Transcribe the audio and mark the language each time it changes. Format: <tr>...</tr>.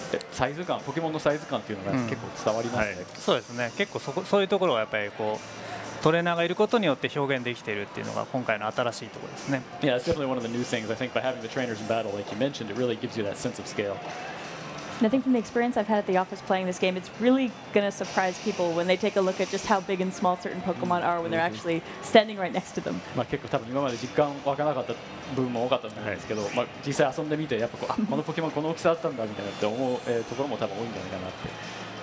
<ja>サイズ感、ポケモンのサイズ感っていうのが結構伝わりますね。そうですね。結構そういうところはやっぱりこう、トレーナーがいることによって表現できているっていうのが今回の新しいところですね。</ja> <en>Yeah, it's definitely one of the new things. I think by having the trainers in battle, like you mentioned, it really gives you that sense of scale. And I think from the experience I've had at the office playing this game, it's really going to surprise people when they take a look at just how big and small certain Pokemon are when they're actually standing right next to them.</en> <ja>まあ結構多分今まで実感湧かなかった部分も多かったんですけど、実際遊んでみてやっぱこのポケモンこの大きさだったんだみたいなって思うところも多分多いんじゃないかなって。</ja>